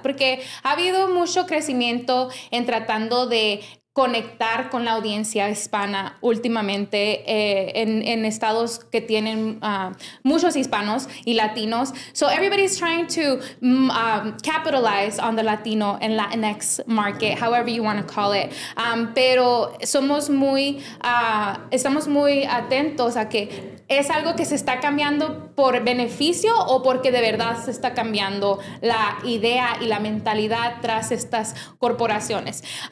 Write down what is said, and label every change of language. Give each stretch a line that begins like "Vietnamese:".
Spanish: Porque ha habido mucho crecimiento en tratando de conectar con la audiencia hispana últimamente en estados que tienen muchos hispanos y latinos.
English: So everybody's trying to capitalize on the Latino and Latinx market, however you want to call it.
Spanish: Pero somos muy, estamos muy atentos a que es algo que se está cambiando por beneficio o porque de verdad se está cambiando la idea y la mentalidad tras estas corporaciones.